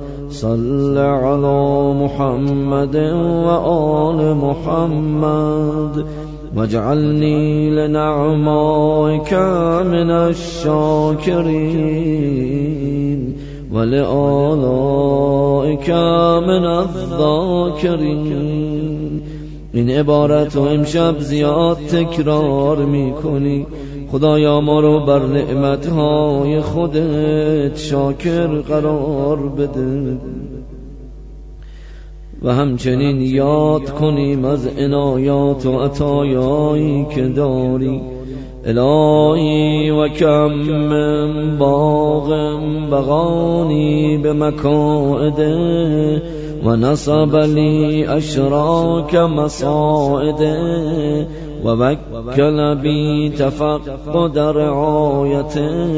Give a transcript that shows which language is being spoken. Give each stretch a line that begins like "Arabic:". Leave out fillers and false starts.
Arabic: صل على محمد وآل محمد واجعلني لنعمائك من الشاكرين ولآلائك من الذاكرين.
Persian: این عبارت رو امشب زیاد تکرار میکنی. خدایا ما رو بر نعمتهای خودت شاکر قرار بده و همچنین یاد کنیم از عنایات و عطایایی که داری.
Arabic: الهی و کم باغ بغانی به مکائده و نصب لی اشراک مصائده و وکل بی تفقد رعایته